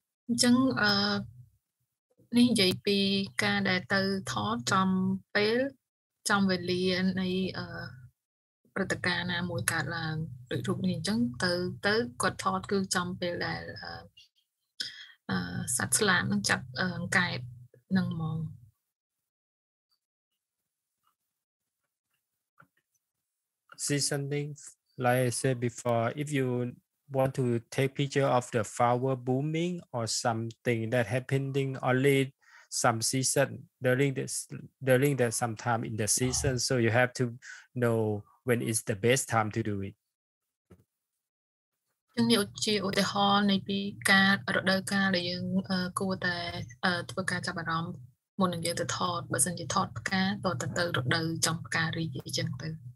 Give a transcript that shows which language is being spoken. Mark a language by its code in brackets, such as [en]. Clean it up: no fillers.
[km] អញ្ចឹងនេះនិយាយពីការដែលទៅថតចំពេលចំវេលានៃព្រឹត្តិការណ៍ណាមួយកើតឡើងដូចរូបនេះអញ្ចឹងទៅគាត់ថតគឺចំពេលដែលសត្វស្លាបនឹងចាប់កែបនឹងមក [en] ซีซันนิ่ง like I said before if you want to take picture of the flower blooming or something that happening only some season during that sometime in the season so you have to know when is the best time to do it [km] នឹងជាឧទាហរណ៍នៃពីការរដូវកាលដែលយើងគួរតែធ្វើការចាប់អារម្មណ៍មុននឹងយើងទៅថតបើសិនជាថតផ្កាតើទៅរដូវចំផ្ការីអញ្ចឹងទៅ